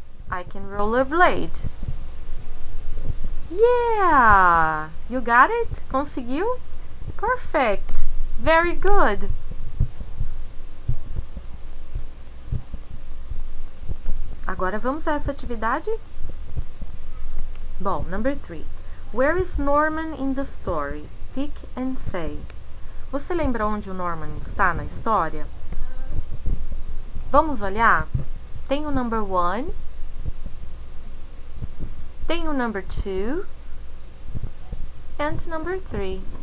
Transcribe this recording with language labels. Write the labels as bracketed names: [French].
[English] I can rollerblade. Yeah! You got it? [Portuguese] Conseguiu? [English] Perfect! Very good! [Portuguese] Agora vamos a essa atividade? Bom, [English] number 3. Where is Norman in the story? Pick and say. [Portuguese] Você lembra onde o Norman está na história? Vamos olhar? Tem o [English] number 1. [Portuguese] Tem o [English] number 2. And number 3.